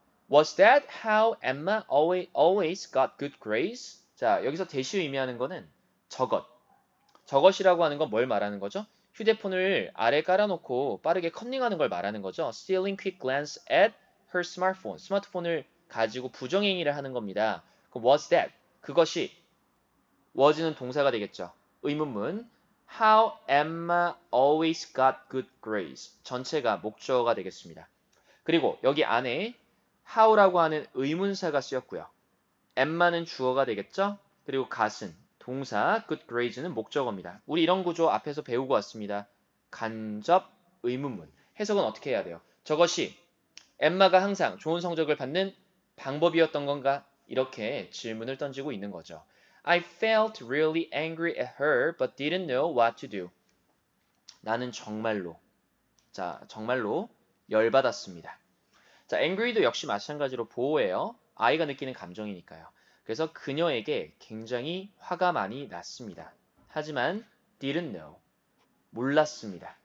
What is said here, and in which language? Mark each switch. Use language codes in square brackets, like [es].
[en] Was that how Emma always got good grades? [ko] 자, 여기서 대시 의미하는 거는 저것. 저것이라고 하는 건 뭘 말하는 거죠? 휴대폰을 아래 깔아놓고 빠르게 커닝하는 걸 말하는 거죠. [en] Stealing quick glance at her smartphone. [ko] 스마트폰을 가지고 부정행위를 하는 겁니다. [en] Was that? [ko] 그것이 was는 동사가 되겠죠. 의문문. [en] How Emma always got good grades. [ko] 전체가 목적어가 되겠습니다. 그리고 여기 안에 how라고 하는 의문사가 쓰였고요. Emma는 주어가 되겠죠? 그리고 got은 동사, good grades는 목적어입니다. 우리 이런 구조 앞에서 배우고 왔습니다. 간접 의문문. 해석은 어떻게 해야 돼요? 저것이 Emma가 항상 좋은 성적을 받는 방법이었던 건가? 이렇게 질문을 던지고 있는 거죠. [en] I felt really angry at her, but didn't know what to do. [ko] 나는 정말로, 자, 정말로 열받았습니다. 자, angry도 역시 마찬가지로 보호예요. 아이가 느끼는 감정이니까요. 그래서 그녀에게 굉장히 화가 많이 났습니다. 하지만 [en] didn't know, [ko] 몰랐습니다.